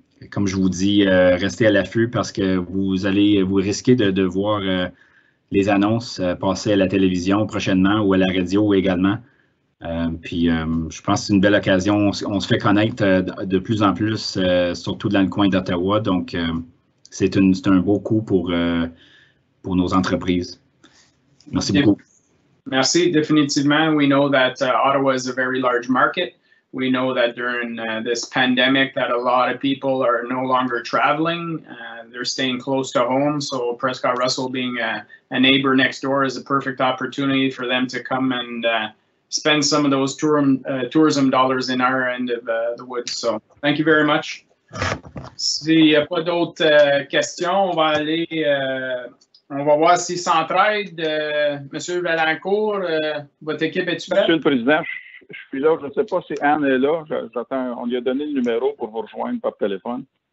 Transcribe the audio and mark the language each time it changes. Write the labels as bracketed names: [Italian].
[French] Comme je vous dis, restez à l'affût parce que vous risquez de voir les annonces passer à la télévision prochainement ou à la radio également. Je pense que c'est une belle occasion. On se fait connaître de plus en plus, surtout dans le coin d'Ottawa. Donc, c'est un beau coup pour nos entreprises. Merci beaucoup. Merci. [English] Définitivement, we know that Ottawa is a very large market. We know that during this pandemic that a lot of people are no longer traveling. They're staying close to home. So Prescott Russell being a neighbor next door is a perfect opportunity for them to come and spend some of those tourism dollars in our end of the woods. So thank you very much. [French] S'il n'y a pas d'autres questions, on va aller, on va voir si s'entraide. Monsieur Valancourt, votre équipe est-tu prête? Monsieur le Président, je suis là. Je ne sais pas si Anne est là. J'attends. On lui a donné le numéro pour vous rejoindre par téléphone.